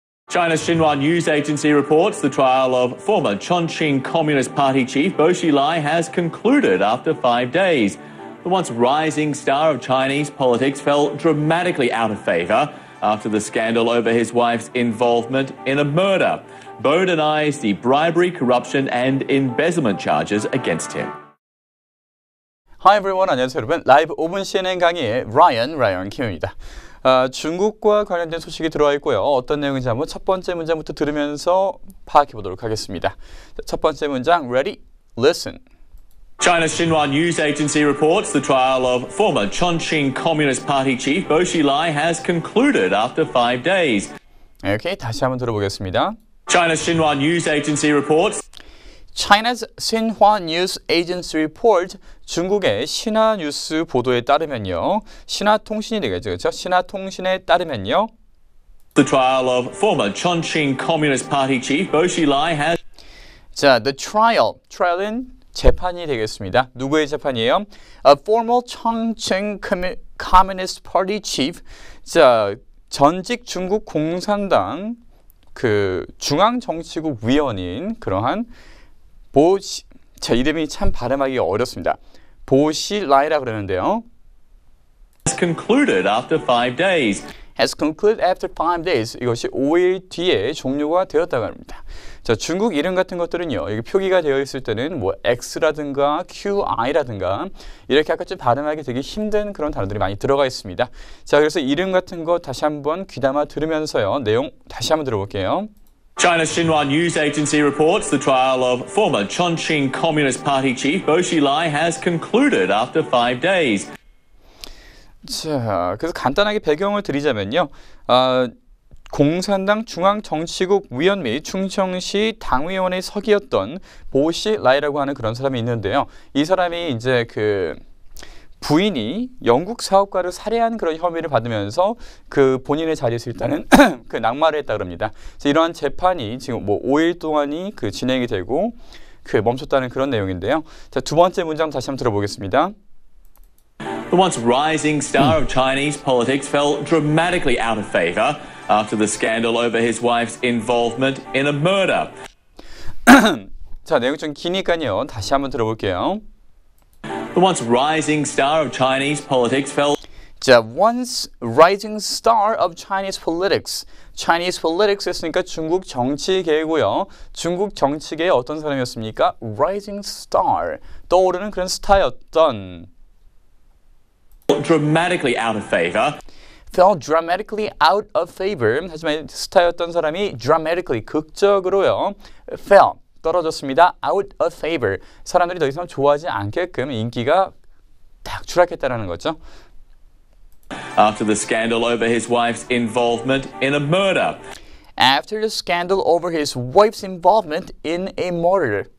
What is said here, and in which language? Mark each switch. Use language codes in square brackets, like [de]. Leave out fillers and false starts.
[en] China's Xinhua News Agency reports the trial of former Chongqing Communist Party chief Bo Xilai has concluded after 5 days. The once rising star of Chinese politics fell dramatically out of favor after the scandal over his wife's involvement in a murder. Bo denies the bribery, corruption, and embezzlement charges against him. [ko] Hi everyone, 안녕하세요 여러분. 라이브 5분 CNN 강의의 Ryan Kim입니다. 중국과 관련된 소식이 들어와 있고요. 어떤 내용인지 한번 첫 번째 문장부터 들으면서 파악해 보도록 하겠습니다. 첫 번째 문장, Ready, Listen. [en] China's Xinhua News Agency reports the trial of former Chongqing Communist Party chief Bo Xilai has concluded after 5 days. [ko] Okay, 다시 한번 들어보겠습니다. [en] China's Xinhua News Agency reports. China's Xinhua News Agency report, 중국의 신화 뉴스 보도에 따르면요. [ko] 신화통신이 되겠죠, 그렇죠? 신화통신에 따르면요. [en] The trial of former Chongqing Communist Party chief Bo Xilai has... 자, the trial. [ko] Trial은 재판이 되겠습니다. 누구의 재판이에요? [en] A former Chongqing Communist Party chief. [ko] 자, 전직 중국 공산당 그 중앙정치국 위원인 그러한 보시, 제 이름이 참 발음하기 어렵습니다. 보시라이라 그러는데요. [en] Has concluded after 5 days. Has concluded after 5 days. [ko] 이것이 5일 뒤에 종료가 되었다고 합니다. 자, 중국 이름 같은 것들은요. 이게 표기가 되어 있을 때는 뭐 X라든가 QI라든가 이렇게 아까 좀 발음하기 되게 힘든 그런 단어들이 많이 들어가 있습니다. 자, 그래서 이름 같은 거 다시 한번 귀담아 들으면서요. 내용 다시 한번 들어볼게요. China's Xinhua News Agency reports the trial of former Chongqing Communist Party chief Bo Xilai has concluded after 5 days. 자, 그래서 간단하게 배경을 드리자면요. 공산당 중앙정치국 위원 및 충청시 당위원의 석이었던 보 시라이라고 하는 그런 사람이 있는데요. 이 사람이 이제 그 부인이 영국 사업가를 살해한 그런 혐의를 받으면서 그 본인의 자리에서 일단은 그 낙마를 했다고 합니다. 이러한 재판이 지금 뭐 5일 동안이 그 진행이 되고 그 멈췄다는 그런 내용인데요. 자, 두 번째 문장 다시 한번 들어보겠습니다. [en] The once rising star of Chinese politics fell dramatically out of favor after the scandal over his wife's involvement in a murder. [ko] 자, 내용 좀 기니까요. 다시 한번 들어볼게요. [en] The once rising star of Chinese politics fell. 자, once rising star of Chinese politics. [ko] Chinese politics 했으니까 중국 정치계고요. 중국 정치계의 어떤 사람이었습니까? [en] Rising star. [ko] 떠오르는 그런 스타였던. [en] Dramatically out of favor. Fell dramatically out of favor. [ko] 하지만 스타였던 사람이 dramatically, 극적으로요. [en] Fell. 떨어졌습니다. Out of favor. [ko] 사람들이 더 이상 좋아하지 않게끔 인기가 딱 추락했다라는 거죠. [en] After the scandal over his wife's involvement in a murder. After the scandal over his wife's involvement in a murder.